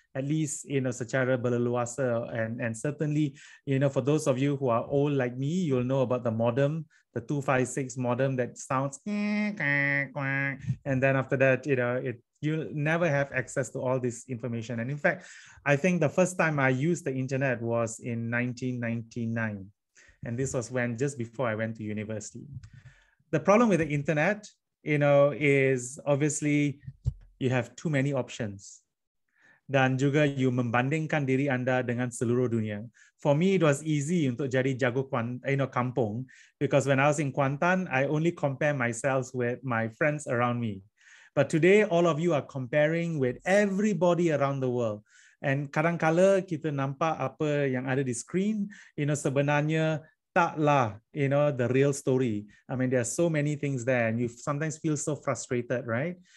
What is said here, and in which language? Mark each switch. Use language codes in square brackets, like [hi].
[en] At least, [ms] secara berleluasa, [en] and certainly, for those of you who are old like me, you'll know about the modem, the 256 modem that sounds, and then after that, you'll never have access to all this information. And in fact, I think the first time I used the internet was in 1999, and this was when just before I went to university. The problem with the internet, is obviously you have too many options. [ms] Dan juga you membandingkan diri anda dengan seluruh dunia. [en] For me, it was easy [ms] untuk jadi jago kampung, [en] because when I was in Kuantan, I only compare myself with my friends around me. But today, all of you are comparing with everybody around the world. And [ms] kadangkala kita nampak apa yang ada di screen, sebenarnya taklah [en] the real story. There are so many things there, and you sometimes feel so frustrated, right?